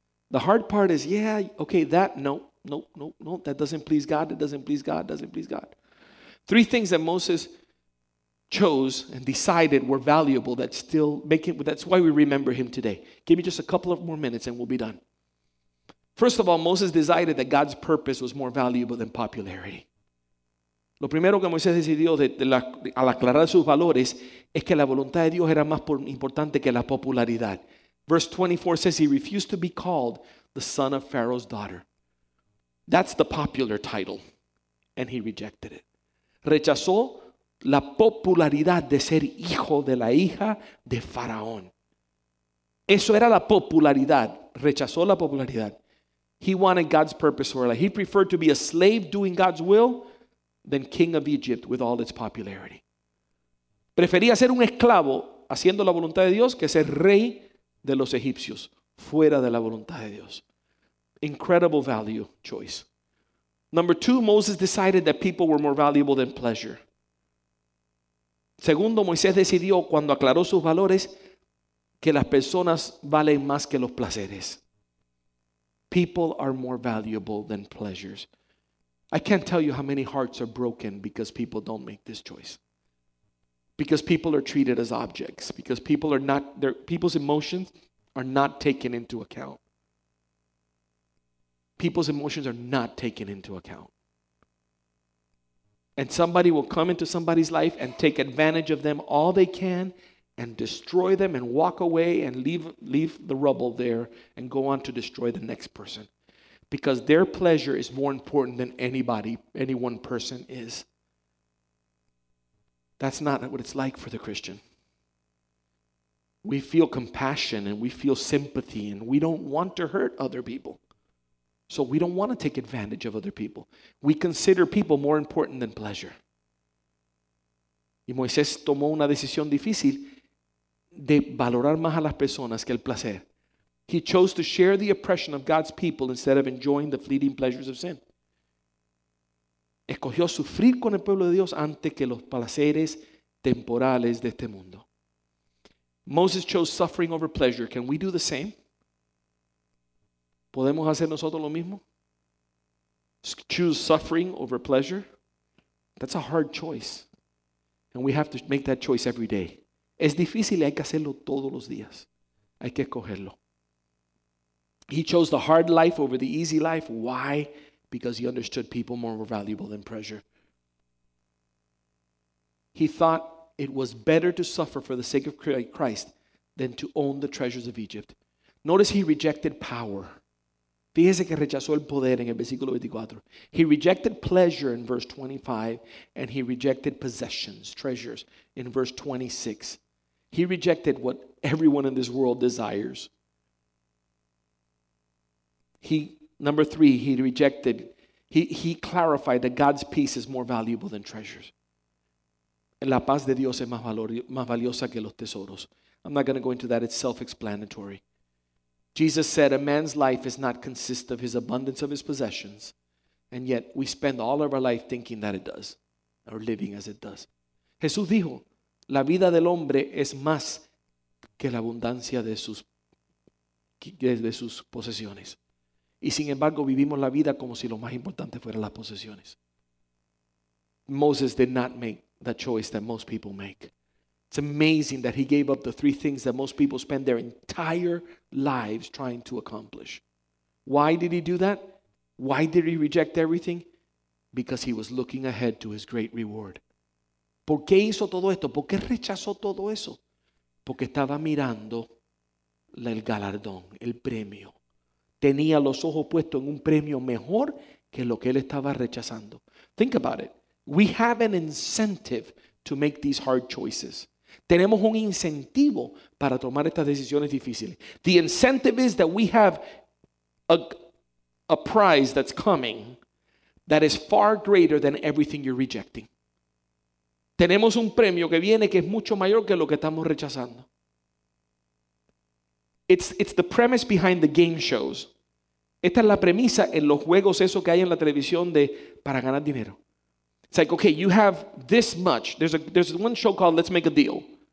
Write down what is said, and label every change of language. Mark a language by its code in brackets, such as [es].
[en] The hard part is, yeah, okay, that, no, no, no, no, that doesn't please God, that doesn't please God, doesn't please God. Three things that Moses chose and decided were valuable that still make it, that's why we remember him today. Give me just a couple of more minutes and we'll be done. First of all, Moses decided that God's purpose was more valuable than popularity. [es] Lo primero que Moisés decidió al aclarar sus valores es que la voluntad de Dios era más importante que la popularidad. [en] Verse 24 says he refused to be called the son of Pharaoh's daughter. That's the popular title. And he rejected it. [es] Rechazó la popularidad de ser hijo de la hija de Faraón. Eso era la popularidad. Rechazó la popularidad. [en] He wanted God's purpose for life. He preferred to be a slave doing God's will than king of Egypt with all its popularity. [es] Prefería ser un esclavo haciendo la voluntad de Dios que ser rey de los egipcios, fuera de la voluntad de Dios. [en] Incredible value choice. Number two, Moses decided that people were more valuable than pleasure. [es] Segundo, Moisés decidió cuando aclaró sus valores que las personas valen más que los placeres. [en] People are more valuable than pleasures. I can't tell you how many hearts are broken because people don't make this choice. Because people are treated as objects. Because people are not, people's emotions are not taken into account. People's emotions are not taken into account. And somebody will come into somebody's life and take advantage of them all they can and destroy them and walk away and leave the rubble there and go on to destroy the next person. Because their pleasure is more important than anybody, any one person is. That's not what it's like for the Christian. We feel compassion and we feel sympathy and we don't want to hurt other people. So we don't want to take advantage of other people. We consider people more important than pleasure. [es] Y Moisés tomó una decisión difícil de valorar más a las personas que el placer. [en] He chose to share the oppression of God's people instead of enjoying the fleeting pleasures of sin. [es] Escogió sufrir con el pueblo de Dios antes que los placeres temporales de este mundo. [en] Moses chose suffering over pleasure. Can we do the same? [es] ¿Podemos hacer nosotros lo mismo? [en] Choose suffering over pleasure? That's a hard choice. And we have to make that choice every day. [es] Es difícil y hay que hacerlo todos los días. Hay que escogerlo. [en] He chose the hard life over the easy life. Why? Because he understood people more were valuable than pleasure. He thought it was better to suffer for the sake of Christ than to own the treasures of Egypt. Notice he rejected power. [es] Fíjese que rechazó el poder en el versículo 24. [en] He rejected pleasure in verse 25, and he rejected possessions, treasures, in verse 26. He rejected what everyone in this world desires. Number three, he clarified that God's peace is more valuable than treasures. [es] La paz de Dios es más valiosa que los tesoros. [en] I'm not going to go into that. It's self-explanatory. Jesus said, a man's life is not consist of his abundance of his possessions, and yet we spend all of our life thinking that it does, or living as it does. [es] Jesús dijo, la vida del hombre es más que la abundancia de sus posesiones. Y sin embargo, vivimos la vida como si lo más importante fueran las posesiones. [en] Moses did not make the choice that most people make. It's amazing that he gave up the three things that most people spend their entire lives trying to accomplish. Why did he do that? Why did he reject everything? Because he was looking ahead to his great reward. [es] ¿Por qué hizo todo esto? ¿Por qué rechazó todo eso? Porque estaba mirando el galardón, el premio. Tenía los ojos puestos en un premio mejor que lo que él estaba rechazando. [en] Think about it. We have an incentive to make these hard choices. [es] Tenemos un incentivo para tomar estas decisiones difíciles. [en] The incentive is that we have a prize that's coming that is far greater than everything you're rejecting. [es] Tenemos un premio que viene que es mucho mayor que lo que estamos rechazando. [en] It's the premise behind the game shows. [es] Esta es la premisa en los juegos esos que hay en la televisión de para ganar dinero. [en] It's like, okay, you have this much. There's one show called Let's Make a Deal.